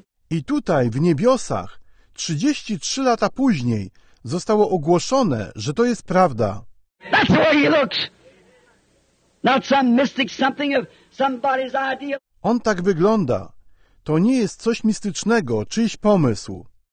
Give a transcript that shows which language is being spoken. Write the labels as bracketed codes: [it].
[pl] I tutaj, w niebiosach, 33 lata później, zostało ogłoszone, że to jest prawda. [en] That's the way he looks. Not some mystic something of somebody's idea. [pl] On tak wygląda. To nie jest coś mistycznego, czyjś pomysł.